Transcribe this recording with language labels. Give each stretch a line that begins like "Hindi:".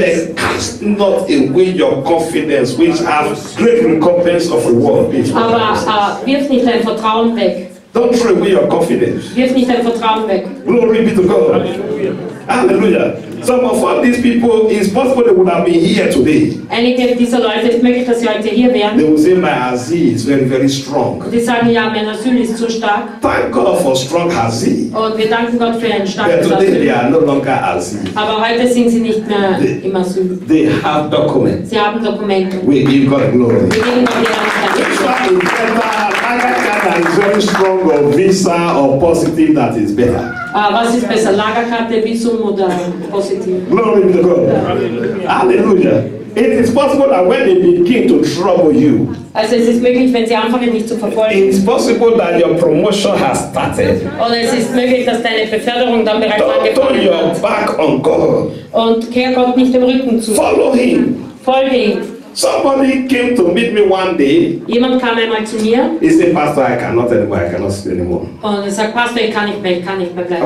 English: Then cast not away your confidence, which has great recompense of reward.
German: Aber wirf nicht dein Vertrauen weg.
English: Don't throw away your confidence.
German: Wirf nicht dein Vertrauen weg.
English: Glory be to God. Hallelujah. Some of all these people, it's possible they would have been here today.
German: Einige dieser Leute, es ist möglich, dass sie heute hier wären.
English: They will say, my Aziz is very, very strong.
German: Die sagen, ja, mein Asyl ist zu stark.
English: Thank God for strong Aziz.
German: Und wir danken Gott für einen starken
English: Asyl. Today they are no longer Aziz.
German: Aber heute sind sie nicht mehr im Asyl.
English: They have documents.
German: Sie haben Dokumente.
English: We give God glory.
German: Wir geben Gott die
English: Lagerkarte. Lagerkarte is very strong or visa or positive, that is better.
German: Was ist besser, Lagerkarte, Visum oder positive?
English: Glory to God. Hallelujah. It is possible that when they begin to trouble you,
German: also es ist möglich, wenn sie anfangen, dich zu verfolgen.
English: It is possible that your promotion has started.
German: Und es ist möglich, dass deine Beförderung dann bereits
English: don't
German: angefangen hat.
English: Turn your back on God.
German: Und kehr Gott nicht dem Rücken zu.
English: Follow him.
German: Folge ihm.
English: Somebody came to meet me one day.
German: Jemand kam einmal zu mir.
English: He said, Pastor, I cannot anymore. I cannot sit anymore.
German: Und er sagt, Pastor, ich kann nicht mehr bleiben.